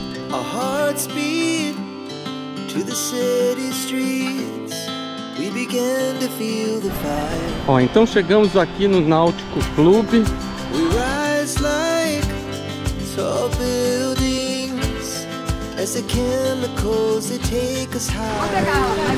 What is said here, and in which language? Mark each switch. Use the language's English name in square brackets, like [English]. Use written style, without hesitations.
[English] Our hearts beat to the city streets. We began to feel the fire. [Portuguese] Ó, então chegamos aqui no Náutico Clube. [English] We rise like tall buildings as the chemicals that take us high.